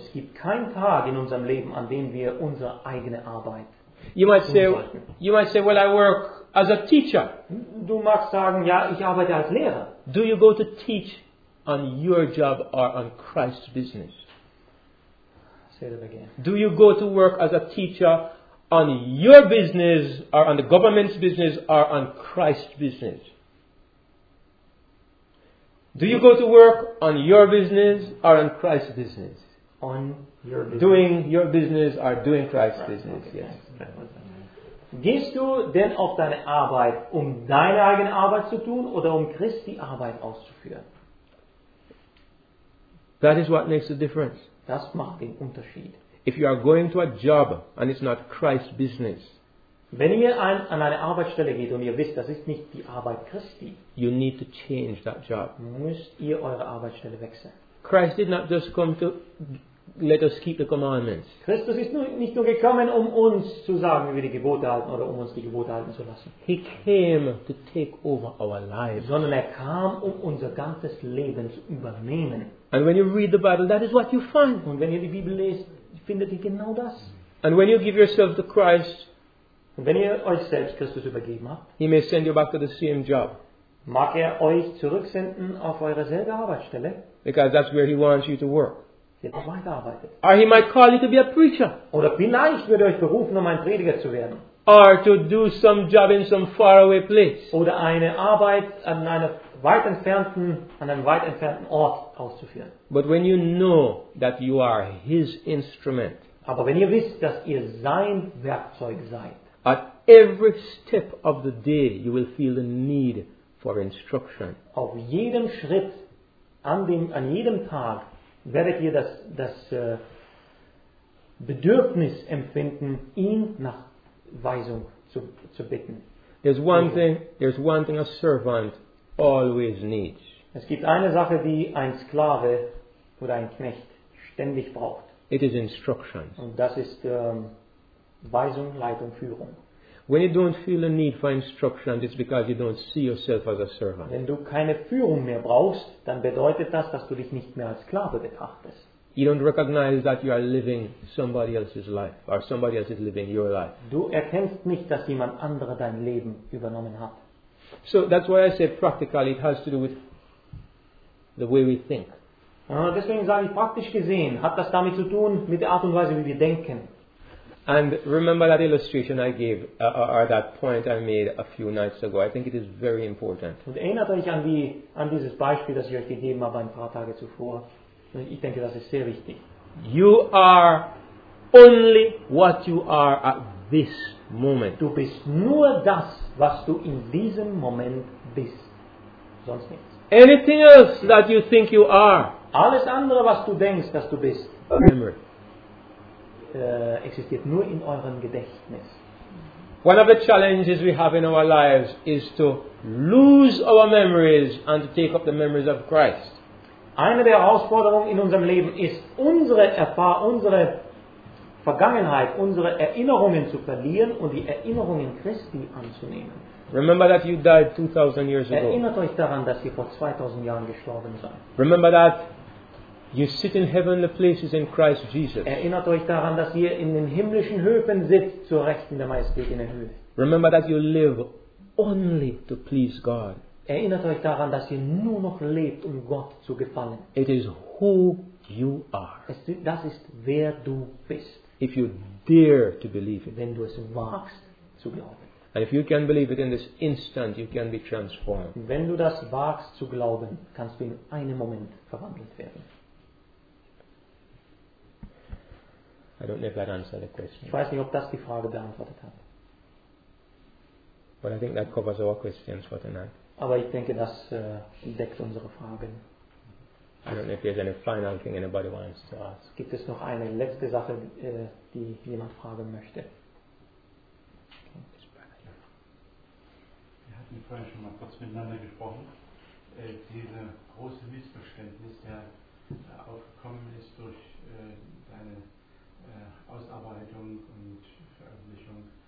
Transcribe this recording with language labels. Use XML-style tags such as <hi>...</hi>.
<de>Es gibt keinen Tag in unserem Leben, an dem wir unsere eigene Arbeit tun sollten.</de> <en>You might say, well, I work as a teacher.</en> <de>Du magst sagen, ja, ich arbeite als Lehrer.</de> <en>Do you go to teach on your job or on Christ's business? Say that again. Do you go to work as a teacher on your business or on the government's business or on Christ's business? Do you go to work on your business or on Christ's business? On your business. Doing your business or doing Christ's business, okay. Yes.</en> <de>Gehst du denn auf deine Arbeit, um deine eigene Arbeit zu tun oder um Christi Arbeit auszuführen?</de> <en>That is what makes the difference.</en> <de>Das macht den Unterschied.</de> <en>If you are going to a job and it's not Christ's business,</en> <de>wenn ihr an eine Arbeitsstelle geht und ihr wisst, das ist nicht die Arbeit Christi,</de> <en>you need to change that job.</en> <de>Müsst ihr eure Arbeitsstelle wechseln.</de> <en>Christ did not just come to let us keep the commandments.</en> <de>Christus ist nicht nur gekommen, um uns zu sagen, wie wir die Gebote halten oder um uns die Gebote halten zu lassen.</de> <en>He came to take over our lives.</en> <de>Sondern er kam, um unser ganzes Leben zu übernehmen.</de> <en>And when you read the Bible, that is what you find.</en> <de>Und wenn ihr die Bibel lest, findet ihr genau das.</de> <en>And when you give yourself to Christ,</en> <de>und wenn ihr euch selbst Christus übergeben habt,</de> <en>he may send you back to the same job.</en> <de>Mag er euch zurücksenden auf eure selbe Arbeitsstelle.</de> <en>Because that's where he wants you to work.</en> <de>Jetzt auch weiterarbeitet.</de> <en>Or he might call you to be a preacher.</en> <de>Oder vielleicht wird er euch berufen, um ein Prediger zu werden.</de> <en>Or to do some job in some faraway place.</en> <de>Oder eine Arbeit an einem weit entfernten Ort auszuführen.</de> <en>But when you know that you are his instrument.</en> <de>Aber wenn ihr wisst, dass ihr sein Werkzeug seid.</de> <en>At every step of the day, you will feel the need for instruction.</en> <de>Auf jedem Schritt, an jedem Tag, werdet ihr das Bedürfnis empfinden, ihn nach Weisung zu bitten.</de> <en>There's one thing a servant always needs.</en> <de>Es gibt eine Sache, die ein Sklave oder ein Knecht ständig braucht.</de> <en>It is instruction.</en> <de>Und das ist Weisung, Leitung, Führung.</de> <en>When you don't feel a need for instruction, it's because you don't see yourself as a servant.</en> <de>Wenn du keine Führung mehr brauchst, dann bedeutet das, dass du dich nicht mehr als Sklave betrachtest.</de> <en>You don't recognize that you are living somebody else's life, or somebody else is living your life.</en> <de>Du erkennst nicht, dass jemand anderer dein Leben übernommen hat.</de> <en>So that's why I say practically it has to do with the way we think.</en> <de>Deswegen sage ich praktisch gesehen, hat das damit zu tun mit der Art und Weise, wie wir denken.</de> <en>And remember that illustration I gave, or that point I made a few nights ago. I think it is very important.</en> <de>Und erinnert euch an dieses Beispiel, das ich euch gegeben habe ein paar Tage zuvor. Ich denke, das ist sehr wichtig.</de> <en>You are only what you are at this moment.</en> <de>Du bist nur das, was du in diesem Moment bist. Sonst nichts.</de> <en>Anything else that you think you are.</en> <de>Alles andere, was du denkst, dass du bist.</de> <en>Remember.</en> <de>Existiert nur in eurem Gedächtnis.</de> <en>One of the challenges we have in our lives is to lose our memories and to take up the memories of Christ.</en> <de>Eine der Herausforderungen in unserem Leben ist, unsere Vergangenheit, unsere Erinnerungen zu verlieren und die Erinnerungen Christi anzunehmen.</de> <en>Remember that you died 2000 years ago.</en> <de>Erinnert euch daran, dass ihr vor 2000 Jahren gestorben seid.</de> <en>Remember that you sit in heavenly places in Christ Jesus.</en> <de>Erinnert euch daran, dass ihr in den himmlischen Höfen sitzt, zur Rechten der Majestät in der Höhe.</de> <en>Remember that you live only to please God.</en> <de>Erinnert euch daran, dass ihr nur noch lebt, um Gott zu gefallen.</de> <en>It is who you are.</en> <de>Das ist, wer du bist.</de> <en>If you dare to believe it.</en> <de>Wenn du es wagst, zu glauben.</de> <en>And if you can believe it in this instant, you can be transformed.</en> <de>Wenn du das wagst, zu glauben, kannst du in einem Moment verwandelt werden.</de> <en>I don't know if that answered the question.</en> <de>Ich weiß nicht, ob das die Frage beantwortet hat.</de> <en>But I think that covers our questions for tonight.</en> <de>Aber ich denke, das deckt unsere Fragen.</de> <en>I don't know if there's any final thing anybody wants to ask.</en> <de>Gibt es noch eine letzte Sache, die jemand fragen möchte? Wir hatten vorhin schon mal kurz miteinander gesprochen. Diese große Missverständnis, der aufgekommen ist durch deine Ausarbeitung und Veröffentlichung.</de>